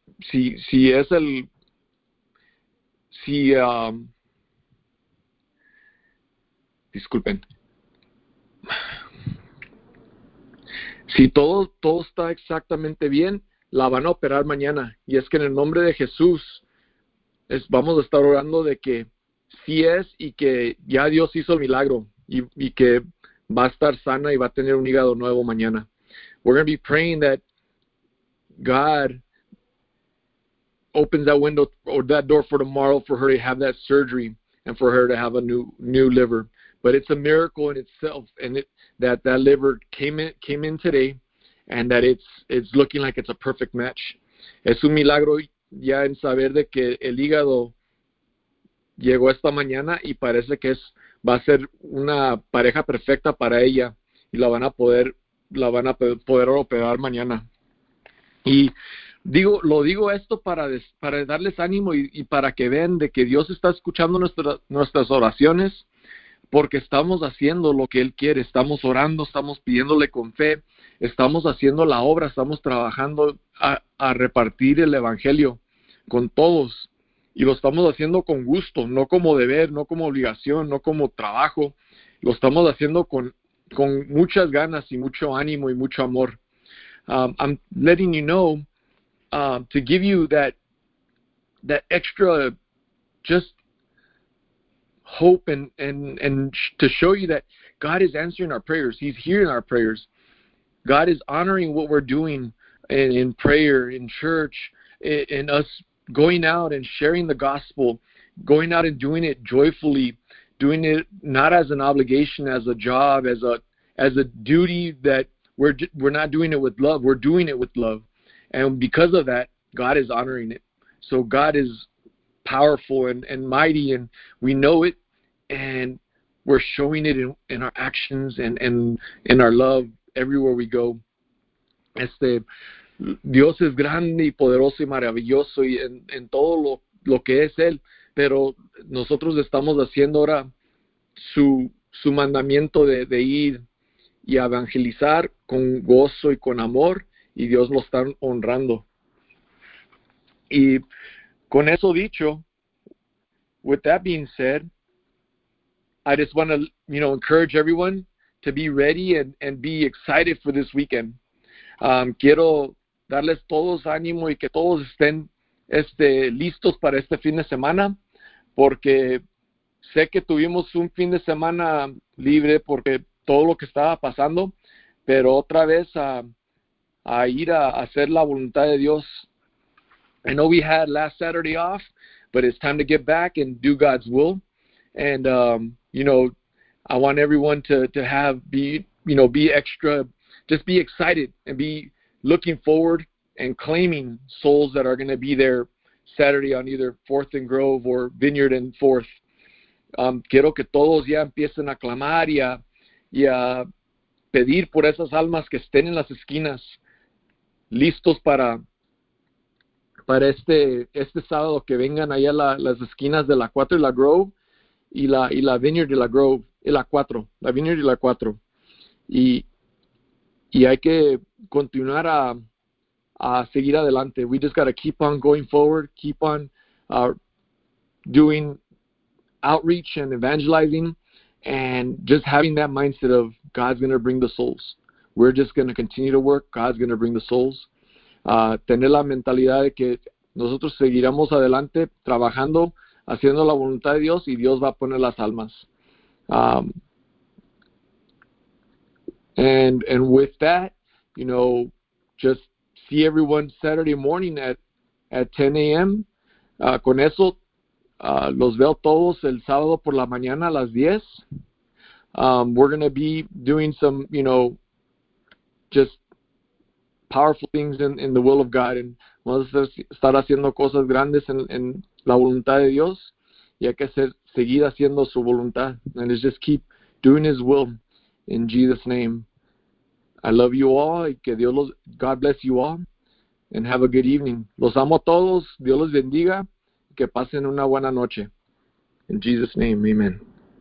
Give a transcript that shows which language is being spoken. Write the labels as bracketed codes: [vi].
[es] si es el si disculpen, si todo está exactamente bien, la van a operar mañana. Y es que en el nombre de Jesús vamos a estar orando de que sí es, y que ya Dios hizo el milagro, y que va a estar sana y va a tener un hígado nuevo mañana. [en] We're going to be praying that God opens that window or that door for tomorrow for her to have that surgery and for her to have a new liver. But it's a miracle in itself, and that liver came in today, and that it's looking like it's a perfect match. [es] Es un milagro ya en saber de que el hígado llegó esta mañana, y parece que va a ser una pareja perfecta para ella, y la van a poder operar mañana. Y digo esto para darles ánimo y para que vean de que Dios está escuchando nuestras oraciones, porque estamos haciendo lo que Él quiere. Estamos orando, estamos pidiéndole con fe, estamos haciendo la obra, estamos trabajando a repartir el evangelio con todos, y lo estamos haciendo con gusto, no como deber, no como obligación, no como trabajo. Lo estamos haciendo con muchas ganas y mucho ánimo y mucho amor. [en] I'm letting you know to give you that extra just hope and to show you that God is answering our prayers. He's hearing our prayers. God is honoring what we're doing in prayer, in church, in us going out and sharing the gospel, going out and doing it joyfully, doing it not as an obligation, as a job, as a duty, that we're not doing it with love. We're doing it with love. And because of that, God is honoring it. So God is powerful and mighty, and we know it, and we're showing it in our actions and in our love everywhere we go. [es] Dios es grande y poderoso y maravilloso, y en todo lo que es Él, pero nosotros estamos haciendo ahora su mandamiento de ir y evangelizar con gozo y con amor, y Dios lo está honrando. Y con eso dicho, [en] with that being said, I just want to, you know, encourage everyone to be ready and be excited for this weekend. [es] Quiero darles todos ánimo y que todos estén listos para este fin de semana, porque sé que tuvimos un fin de semana libre porque todo lo que estaba pasando, pero otra vez a ir a hacer la voluntad de Dios. [en] I know we had last Saturday off, but it's time to get back and do God's will. And, you know, I want everyone to be excited and be looking forward and claiming souls that are going to be there Saturday on either 4th and Grove or Vineyard and 4th. [es] Quiero que todos ya empiecen a clamar y a pedir por esas almas que estén en las esquinas, listos para este sábado, que vengan allá a las esquinas de la 4 y la Grove y la Vineyard y la Grove, y la 4, la Vineyard y la 4. Y hay que continuar a seguir adelante. [en] We just got to keep on going forward, keep on doing outreach and evangelizing, and just having that mindset of God's going to bring the souls. We're just going to continue to work. God's going to bring the souls. [es] Tener la mentalidad de que nosotros seguiremos adelante trabajando, haciendo la voluntad de Dios, y Dios va a poner las almas. [en] And with that, you know, just see everyone Saturday morning at 10 a.m. [es] Con eso, los veo todos el sábado por la mañana a las 10. [en] We're going to be doing some, you know, just powerful things in the will of God. [es] And vamos a estar haciendo cosas grandes en la voluntad de Dios. Y hay que seguir haciendo su voluntad. [en] And let's just keep doing His will in Jesus' name. I love you all. [es] Y que Dios los, [en] God bless you all. And have a good evening. [es] Los amo a todos. Dios los bendiga. Que pasen una buena noche. [en] In Jesus' name, amen.